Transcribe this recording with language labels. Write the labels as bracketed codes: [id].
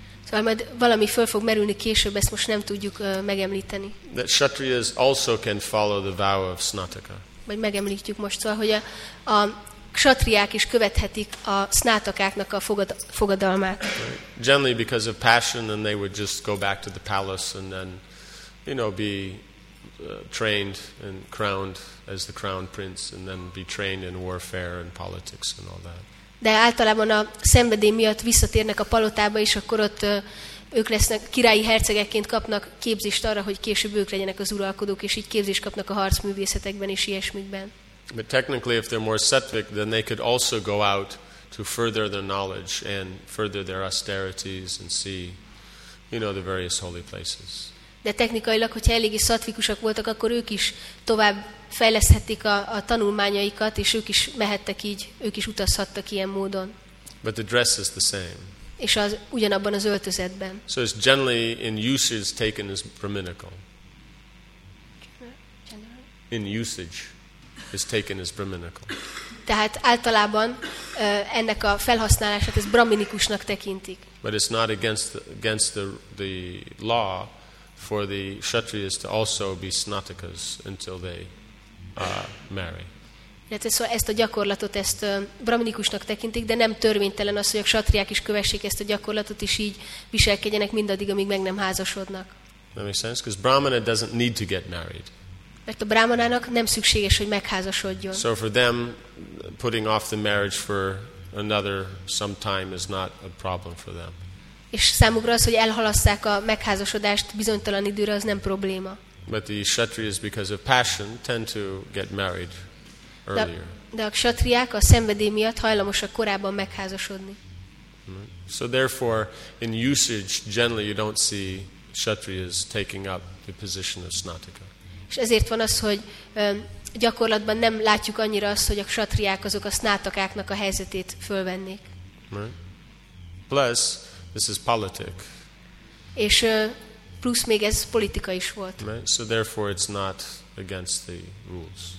[hu] So, majd valami föl fog merülni később, ezt most nem tudjuk megemlíteni. [en] That Kshatriyas also can follow the vow of Snataka. [hu] Majd megemlítjük most, szóval, hogy a Kshatriyák is követhetik a Snatakáknak a fogadalmát. [en] Right. Generally, because of passion, then they would just go back to the palace and then, you know, be trained and crowned as the crown prince, and then be trained in warfare and politics and all that. [hu] De általában a szenvedély miatt visszatérnek a palotába, és akkor ott ők lesznek királyi hercegekként kapnak képzést arra, hogy később ők legyenek az uralkodók, és így képzést kapnak a harcművészetekben és ilyesmikben. [en] But technically, if they're more sattvic, then they could also go out to further their knowledge and further their austerities and see, you know, the various holy places. [hu] De technikailag, hogyha eléggé szattvikusak voltak, akkor ők is tovább fejleszthetik a tanulmányaikat, és ők is mehettek így, ők is utazhattak ilyen módon. [en] But the dress is the same. [hu] És az ugyanabban az öltözetben. [en] So it's generally in usage taken as brahminical. In usage is taken as brahminical. [hu] Tehát általában ennek a felhasználását ez brahminikusnak tekintik. [en] But it's not against the law for the kshatriyas to also be snatakas until they marry. [hu] Tehát szóval ezt a gyakorlatot, ezt brahminikusnak tekintik, de nem törvénytelen az, hogy a kshatriák is kövessék ezt a gyakorlatot, és így viselkedjenek mindaddig, amíg meg nem házasodnak. [en] That makes sense, because brahmana doesn't need to get married. [hu] Mert a brahmanának nem szükséges, hogy megházasodjon. [en] So for them, putting off the marriage for another some time is not a problem for them. [hu] És számukra az, hogy elhalasszák a megházasodást bizonytalan időre, az nem probléma. [en] But the kshatriyas, because of passion, tend to get married earlier. [hu] De a kshatriák a szenvedély miatt hajlamosak korábban megházasodni. [en] So therefore, in usage, generally you don't see kshatriyas taking up the position of snataka. [hu] És ezért van az, hogy gyakorlatban nem látjuk annyira azt, hogy a kshatriák azok a snatakáknak a helyzetét fölvennék. [en] Plus, this is politic. [hu] És plusz még ez politika is volt. [en] Right. So therefore it's not against the rules.